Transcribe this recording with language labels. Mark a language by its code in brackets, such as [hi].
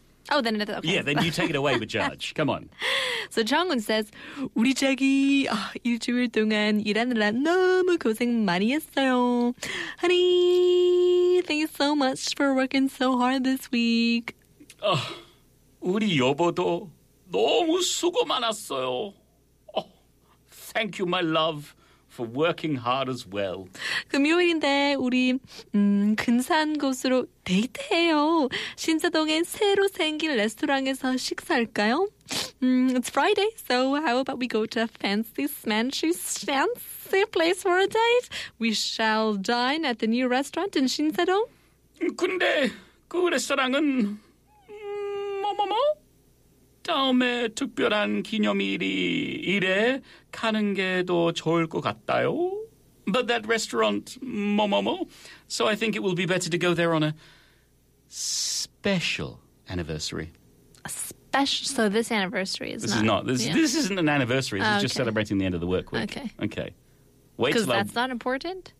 [en] Oh, then another. Okay. Yeah, then you take it away, the judge. Come on. So Jeong-un says, [ko] 우리 자기 일주일 동안 일하느라 너무 고생 많이 했어요. [en] Honey, thank you so much for working so hard this week. [ko] 우리 여보도 너무 수고 많았어요. [en] Oh, thank you, my love, for working hard as well. [ko] 금요일인데 우리 근사한 곳으로 데이트해요. 신사동에 새로 생긴 레스토랑에서 식사할까요? [en] It's Friday, so how about we go to a fancy place for a date? We shall dine at the new restaurant in Shinsa-dong. [ko] 근데 그 레스토랑은 뭐? 다음에 특별한 기념일이 이래 가는 게 더 좋을 것 같아요. [en] But that restaurant, so I think it will be better to go there on a special anniversary. This isn't an anniversary. This is just celebrating the end of the work week. Okay. Because that's not important?